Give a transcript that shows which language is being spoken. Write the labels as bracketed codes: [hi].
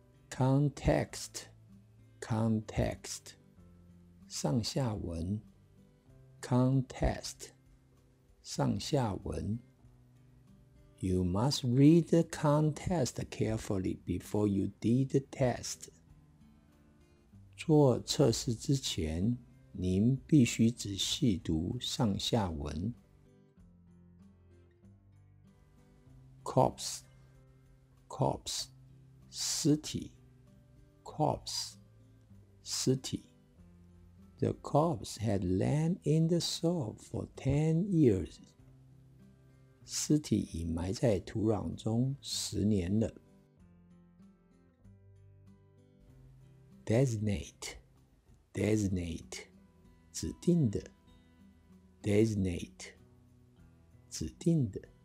[en] Context, context, 上下文。 Context, 上下文。 You must read the context carefully before you did the test. [zh] 做测试之前，您必须仔细读上下文。 [en] Corpse, corpse, 尸体 Corpse, 尸体 The corpse had lain in the soil for 10 years. [zh] 尸体已埋在土壤中十年了 [en] Designate, designate, [zh] 指定的 Designate, 指定的